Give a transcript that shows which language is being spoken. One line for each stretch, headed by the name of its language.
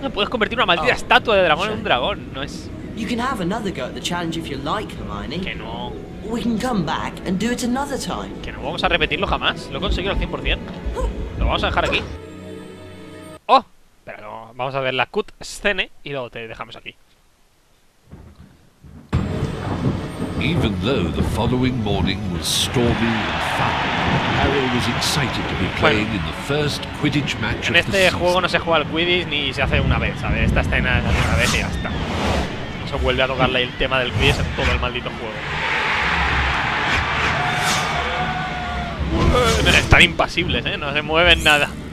Spanish: No puedes convertir una maldita estatua de dragón en un dragón. No es.
English: You can have another go at the challenge if you like, Hermione.
Spanish: Que no.
English: We can come back and do it another time.
Spanish: Que no vamos a repetirlo jamás. Lo he conseguido al 100%. Lo vamos a dejar aquí. Oh, pero no. Vamos a ver la cutscene y luego te dejamos aquí.
English: Even though the following morning was stormy and foul, Harry was excited to be playing in the first Quidditch match.
Spanish: En este juego no se juega al Quidditch ni se hace una vez, ¿sabes? Esta escena se hace una vez y ya está. Se vuelve a tocarle el tema del Quidditch en todo el maldito juego. Están impasibles, ¿eh? No se mueven nada.